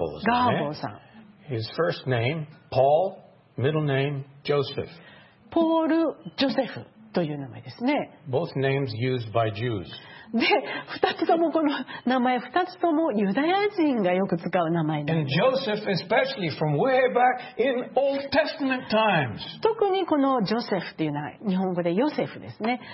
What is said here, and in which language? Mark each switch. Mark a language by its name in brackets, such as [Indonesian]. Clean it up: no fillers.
[Japanese] ガーボーさん。 [English] His first name, Paul, middle name, Joseph. [Japanese] ポール・ジョセフという名前ですね。 [English] Both names used by Jews. [Japanese] で、二つともこの名前、二つともユダヤ人がよく使う名前です。 [English] And Joseph especially from way back in Old Testament times. [Japanese] 特にこのジョセフというのは日本語でヨセフですね。